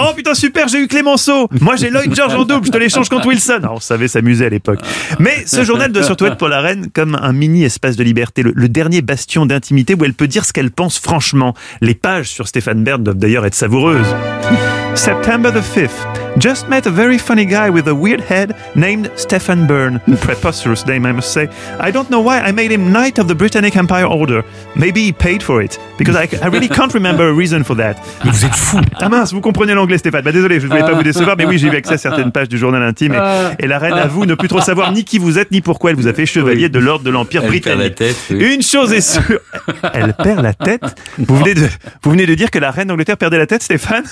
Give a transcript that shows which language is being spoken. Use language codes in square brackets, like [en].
[fr] Oh putain super, j'ai eu Clémenceau! Moi j'ai Lloyd George en double, je te l'échange contre Wilson! Alors, on savait s'amuser à l'époque. Mais ce journal doit surtout être pour la reine comme un mini espace de liberté, le dernier bastion d'intimité où elle peut dire ce qu'elle pense franchement. Les pages sur Stéphane Bern doivent d'ailleurs être savoureuses. [en] September the 5th. Just met a very funny guy with a weird head named Stephen Byrne. Preposterous name, I must say. I don't know why I made him Knight of the Britannic Empire Order. Maybe he paid for it. Because I really can't remember a reason for that. [fr] Mais vous êtes fou. Ah mince, vous comprenez l'anglais, Stéphane. Désolé, je ne voulais pas vous décevoir, mais oui, j'ai eu accès à certaines pages du journal intime. Et la reine avoue ne plus trop savoir ni qui vous êtes, ni pourquoi elle vous a fait chevalier de l'ordre de l'Empire britannique. Elle perd la tête. Oui. Une chose est sûre. Elle perd la tête? Vous venez de dire que la reine d'Angleterre perdait la tête, Stéphane?